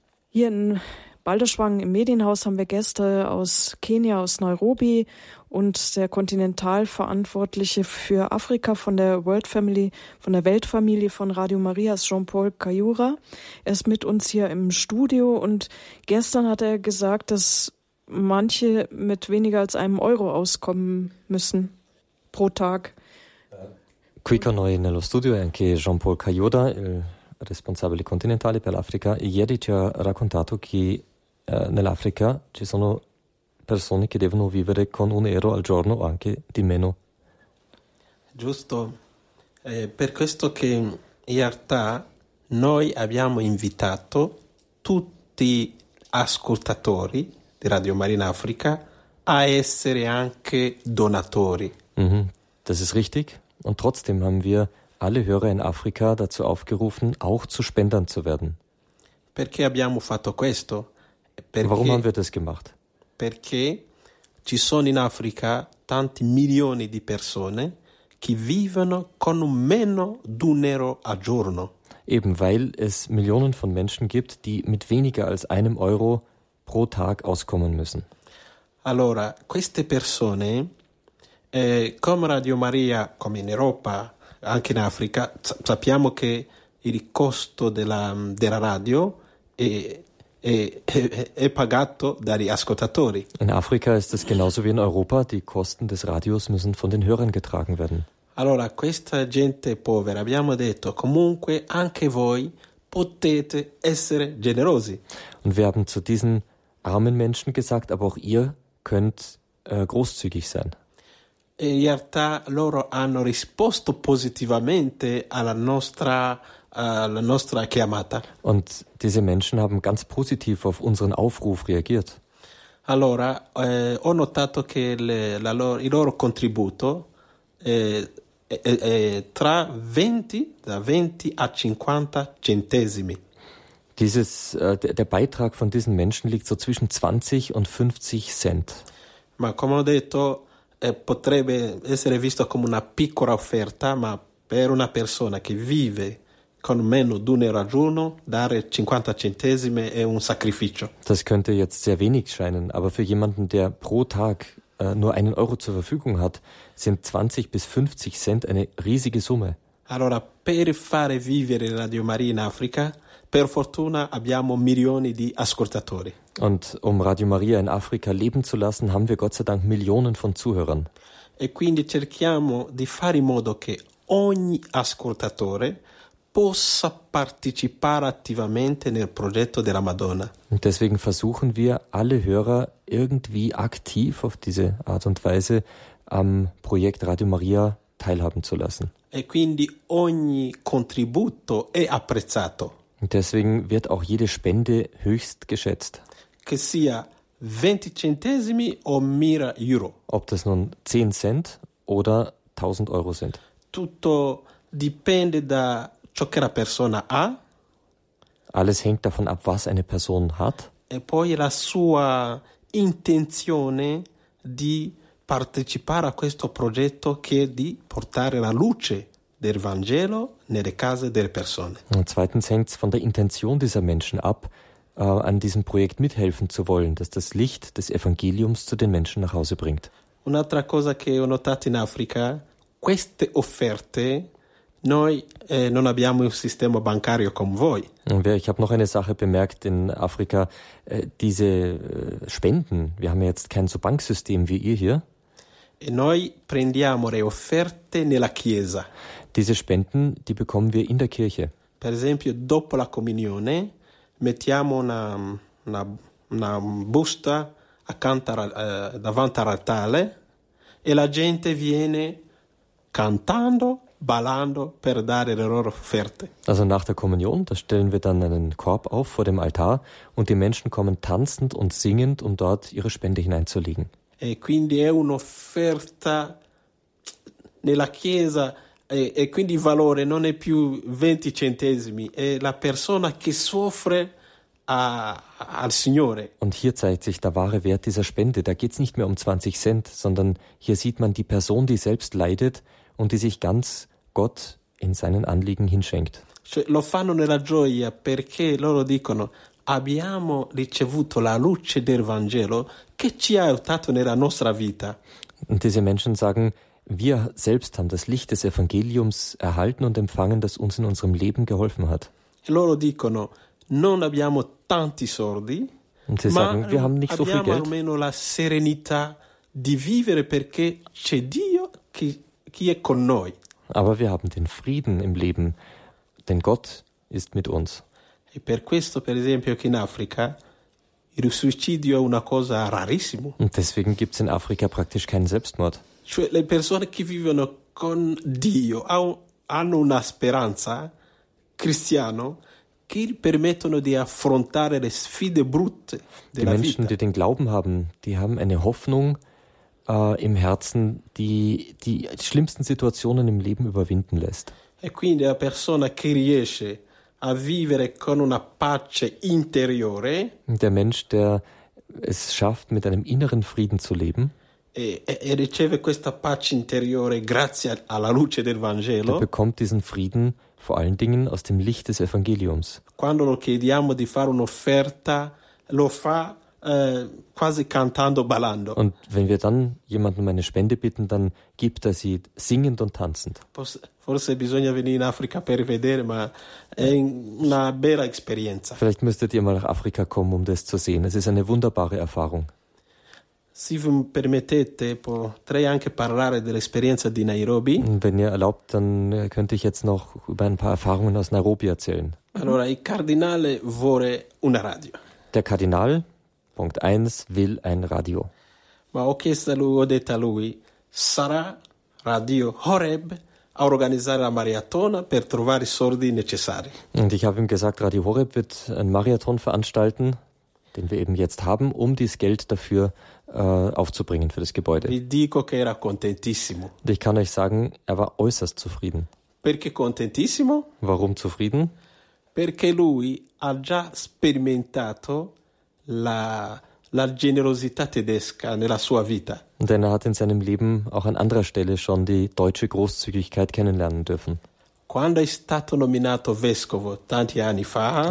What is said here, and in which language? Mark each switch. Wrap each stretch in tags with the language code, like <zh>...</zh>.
<de>Hier in Balderschwang im Medienhaus haben wir Gäste aus Kenia, aus Nairobi, und der Kontinentalverantwortliche für Afrika von der World Family, von der Weltfamilie von Radio Maria ist Jean-Paul Kayura. Er ist mit uns hier im Studio und gestern hat er gesagt, dass manche mit weniger als einem Euro auskommen müssen pro Tag.</de> <it>Quicker noi nello studio anche Jean-Paul Kayura, il responsabile continentale per l'Africa, ieri ci ha raccontato che nell'Africa ci sono persone che devono vivere con un euro al giorno o anche di meno. Giusto, per questo che in realtà noi abbiamo invitato tutti gli ascoltatori di Radio Maria in Africa a essere anche donatori. Mm-hmm.</it> <de>Das ist richtig und trotzdem haben wir alle Hörer in Afrika dazu aufgerufen, auch zu Spendern zu werden.</de> <it>Perché abbiamo fatto questo?</it> <de>Perché, warum haben wir das gemacht?</de> <it>Perché ci sono in Africa tanti milioni di persone che vivono con meno di un euro al giorno.</it> <de>Eben weil es Millionen von Menschen gibt, die mit weniger als einem Euro pro Tag auskommen müssen.</de> <it>Allora, queste persone, come Radio Maria, come in Europa, anche in Africa, sappiamo che il costo della radio è pagato dagli ascoltatori.</it> <de>In Africa ist es genauso wie in Europa, die Kosten des Radios müssen von den Hörern getragen werden.</de> <it>Allora, questa gente povera, abbiamo detto, comunque anche voi potete essere generosi.</it> <de>Und wir haben zu diesen armen Menschen gesagt, aber auch ihr könnt großzügig sein.</de> <it>In realtà loro hanno risposto positivamente alla nostra chiamata.</it> <de>Und diese Menschen haben ganz positiv auf unseren Aufruf reagiert.</de> <it>Allora, ho notato che il loro contributo tra 20, da 20 a 50 centesimi.</it> <de>Der Beitrag von diesen Menschen liegt so zwischen 20 und 50 Cent.</de> <it>Ma come ho detto, potrebbe essere visto come una piccola offerta, ma per una persona che vive con meno di un euro al giorno, dare 50 centesimi è un sacrificio.</it> <de>Das könnte jetzt sehr wenig scheinen, aber für jemanden, der pro Tag nur einen Euro zur Verfügung hat, sind 20 bis 50 Cent eine riesige Summe.</de> <it>Allora, per fare vivere Radio Maria in Africa, per fortuna abbiamo milioni di ascoltatori.</it> <de>Und um Radio Maria in Afrika leben zu lassen, haben wir Gott sei Dank Millionen von Zuhörern.</de> <it>E quindi cerchiamo di fare in modo che ogni ascoltatore possa partecipare attivamente nel progetto della Madonna.</it> <de>Und deswegen versuchen wir, alle Hörer irgendwie aktiv auf diese Art und Weise am Projekt Radio Maria teilhaben zu lassen.</de> <it>E quindi ogni contributo è apprezzato.</it> <de>Und deswegen wird auch jede Spende höchst geschätzt.</de> <it>Che sia 20 centesimi o 1000 euro.</it> <de>Ob das nun 10 Cent oder 1000 Euro sind.</de> <it>Tutto dipende da ciò che la persona ha.</it> <de>Alles hängt davon ab, was eine Person hat.</de> <it>E poi la sua intenzione di partecipare a questo progetto, che è di portare la luce del Vangelo nelle case delle persone.</it> <de>Und zweitens hängt es von der Intention dieser Menschen ab, an diesem Projekt mithelfen zu wollen, dass das Licht des Evangeliums zu den Menschen nach Hause bringt.</de> <it>Un'altra cosa che ho notato in Africa, queste offerte, noi non abbiamo un sistema bancario come voi.</it> <de>Ich habe noch eine Sache bemerkt in Afrika, diese Spenden, wir haben ja jetzt kein so Banksystem wie ihr hier.</de> <it>E noi prendiamo le offerte nella chiesa.</it> <de>Diese Spenden, die bekommen wir in der Kirche.</de> <it>Per esempio, dopo la comunione, mettiamo una busta accanto davanti all'altare e la gente viene cantando, ballando per dare le loro offerte.</it> <de>Also nach der Kommunion, da stellen wir dann einen Korb auf vor dem Altar und die Menschen kommen tanzend und singend, um dort ihre Spende hineinzulegen.</de> <it>E quindi è un'offerta nella chiesa. E quindi il valore non è più 20 centesimi, è la persona che soffre al Signore.</it> <de>Und hier zeigt sich der wahre Wert dieser Spende. Da geht's nicht mehr um 20 Cent, sondern hier sieht man die Person, die selbst leidet und die sich ganz Gott in seinen Anliegen hinschenkt.</de> <it>Cioè, lo fanno nella gioia perché loro dicono: abbiamo ricevuto la luce del Vangelo che ci ha aiutato nella nostra vita.</it> <de>Und diese Menschen sagen: wir selbst haben das Licht des Evangeliums erhalten und empfangen, das uns in unserem Leben geholfen hat.</de> <it>Loro dicono: non abbiamo tanti soldi,</it> <de>und sie sagen, wir haben nicht so viel Geld,</de> <it>almeno la serenità di vivere perché c'è Dio che è con noi.</it> <de>Aber wir haben den Frieden im Leben, denn Gott ist mit uns.</de> <it>E per questo, per esempio, che in Africa il suicidio è una cosa rarissima.</it> <de>Und deswegen gibt es in Afrika praktisch keinen Selbstmord.</de> <it>Cioè, le persone che vivono con Dio hanno una speranza cristiana che permettono di affrontare le sfide brutte della vita.</it> <de>Die Menschen, die den Glauben haben, die haben eine Hoffnung im Herzen, die schlimmsten Situationen im Leben überwinden lässt.</de> <it>E quindi la persona che riesce a vivere con una pace interiore.</it> <de>Der Mensch, der es schafft, mit einem inneren Frieden zu leben.</de> <it>E riceve questa pace interiore grazie alla luce del Vangelo.</it> <de>Er bekommt diesen Frieden vor allen Dingen aus dem Licht des Evangeliums.</de> <it>Quando lo chiediamo di fare un'offerta, lo fa quasi cantando, ballando.</it> <de>Und wenn wir dann jemanden um eine Spende bitten, dann gibt er sie singend und tanzend.</de> <it>Forse bisogna venire in Africa per vedere, ma è una bella esperienza.</it> <de>Vielleicht müsstet ihr mal nach Afrika kommen, um das zu sehen. Es ist eine wunderbare Erfahrung.</de> <it>Se vi permettete, potrei anche parlare dell'esperienza di Nairobi.</it> <de>Wenn ihr erlaubt, dann könnte ich jetzt noch über ein paar Erfahrungen aus Nairobi erzählen.</de> <it>Allora, il cardinale vuole una radio.</it> <de>Der Kardinal, Punkt 1, will ein Radio.</de> <it>Ma ho chiesto a lui, ho detto a lui, sarà Radio Horeb a organizzare la maratona per trovare i soldi necessari.</it> <de>Und ich habe ihm gesagt, Radio Horeb wird einen Marathon veranstalten, den wir eben jetzt haben, um dieses Geld dafür aufzubringen für das Gebäude.</de> <it>Vi dico che era contentissimo.</it> <de>Und ich kann euch sagen, er war äußerst zufrieden.</de> <it>Perché contentissimo?</it> <de>Warum zufrieden?</de> <it>Perché lui ha già sperimentato la generosità tedesca nella sua vita.</it> <de>Denn er hat in seinem Leben auch an anderer Stelle schon die deutsche Großzügigkeit kennenlernen dürfen.</de> <it>Quando è stato nominato vescovo tanti anni fa,</it>